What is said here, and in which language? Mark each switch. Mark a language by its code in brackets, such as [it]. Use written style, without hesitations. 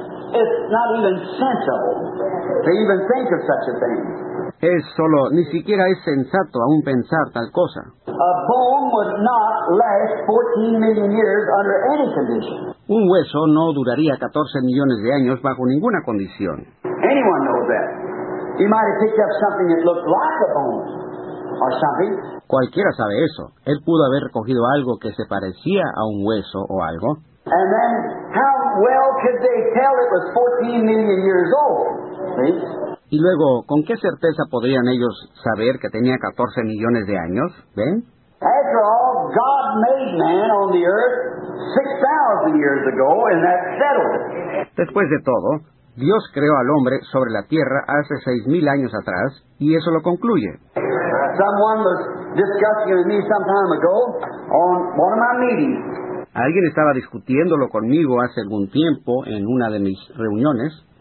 [en] It's not even sensible to even think of such a thing. [es] Es solo, ni siquiera es sensato aún pensar tal cosa. [en] A bone would not last 14 million years under any condition. [es] Un hueso no duraría 14 millones de años bajo ninguna condición. [en] Anyone knows that. You might have picked up something that looked like a bone or something. [es] Cualquiera sabe eso. Él pudo haber recogido algo que se parecía a un hueso o algo. [en] And then, how well could they tell it was 14 million years old? See? [es] Y luego, ¿con qué certeza podrían ellos saber que tenía 14 millones de años? ¿Ven? [en] After all, God made man on the earth 6,000 years ago, and that settled it. [es] Después de todo, Dios creó al hombre sobre la tierra hace 6,000 años atrás, y eso lo concluye. [en] Someone was discussing with me some time ago on one of my meetings. [es] Alguien estaba discutiéndolo conmigo hace algún tiempo en una de mis reuniones.